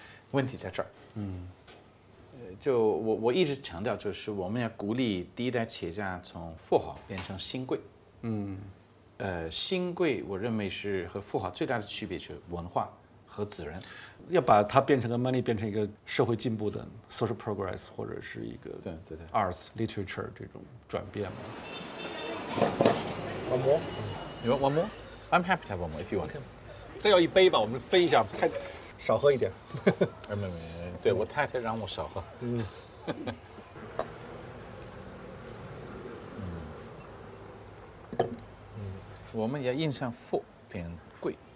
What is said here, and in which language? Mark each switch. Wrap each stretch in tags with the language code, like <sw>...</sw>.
<zh>问题在这儿。就我一直强调，就是我们要鼓励第一代企业家从富豪变成新贵。新贵我认为是和富豪最大的区别是文化和责任，要把它变成个 money， 变成一个社会进步的 social progress，或者是一个 arts literature 这种转变嘛。 One more。</zh> <en>You want one more? I'm happy to have one more if you want.</en> <zh>再要一杯吧，我们分一下，太少喝一点。没，对，我太太让我少喝。我们要印象富变贵。</zh>